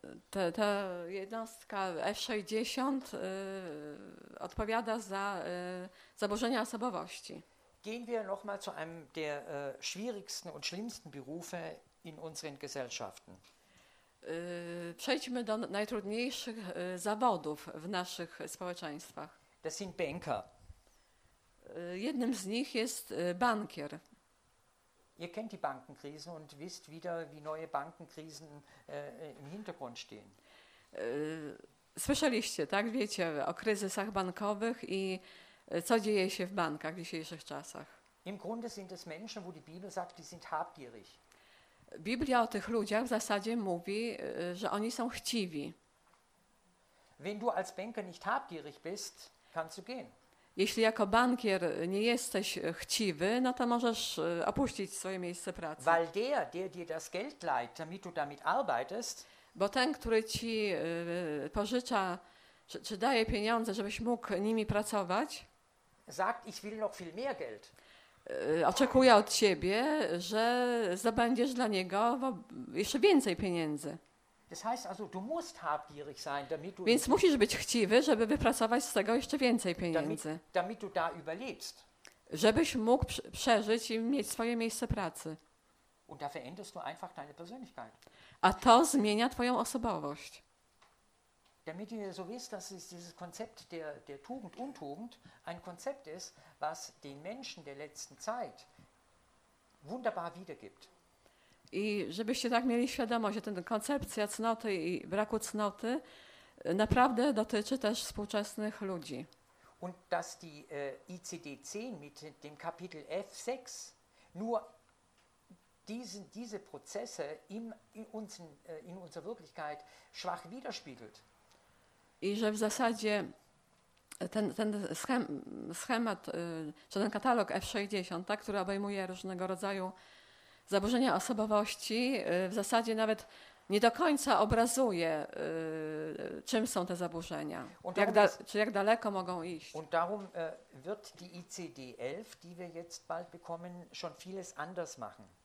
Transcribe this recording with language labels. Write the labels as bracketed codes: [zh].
[pl] Ta jednostka F60 odpowiada za zaburzenia osobowości. [de] Gehen wir noch mal zu einem der schwierigsten und schlimmsten Berufe in unseren Gesellschaften. [pl] Przejdźmy do najtrudniejszych zawodów w naszych społeczeństwach. [de] Das sind Banker. [pl] Jednym z nich jest bankier. [de] Ihr kennt die Bankenkrisen und wisst wieder, wie neue Bankenkrisen im Hintergrund stehen. [pl] Słyszeliście, tak? Wiecie o kryzysach bankowych i co dzieje się w bankach w dzisiejszych czasach. [de] Im Grunde sind es Menschen, wo die Bibel sagt, die sind habgierig. [pl] Biblia o tych ludziach w zasadzie mówi, że oni są chciwi. [de] Wenn du als Banker nicht habgierig bist, kannst du gehen. [pl] Jeśli jako bankier nie jesteś chciwy, no to możesz opuścić swoje miejsce pracy. [de] Weil der dir das Geld leiht, damit du damit arbeitest, [pl] bo ten, który ci pożycza czy daje pieniądze, żebyś mógł nimi pracować, [de] sagt, ich will noch viel mehr Geld. [pl] Oczekuje od ciebie, że zdobędziesz dla niego jeszcze więcej pieniędzy. [de] Das heißt also, du musst habgierig sein, damit du [pl] Więc musisz być chciwy, żeby wypracować z tego jeszcze więcej pieniędzy. [de] Damit du da überlebst. [pl] Żebyś mógł przeżyć i mieć swoje miejsce pracy. [de] Und da veränderst du einfach deine Persönlichkeit. [pl] A to zmienia twoją osobowość. [de] Damit ihr so wisst, dass es dieses Konzept der Tugend, Untugend ein Konzept ist, was den Menschen der letzten Zeit wunderbar wiedergibt. [pl] I żebyście tak mieli świadomość, że ten koncepcja cnoty i braku cnoty naprawdę dotyczy też współczesnych ludzi. [de] Und dass die ICD-10 mit dem Kapitel F6 nur diese Prozesse in unserer Wirklichkeit schwach widerspiegelt. [pl] I że w zasadzie ten schemat, czy ten katalog F60, tak, który obejmuje różnego rodzaju zaburzenia osobowości, w zasadzie nawet nie do końca obrazuje, czym są te zaburzenia, czy jak daleko mogą iść. [de] Und darum wird die ICD-11, die wir jetzt bald bekommen, schon vieles anders machen.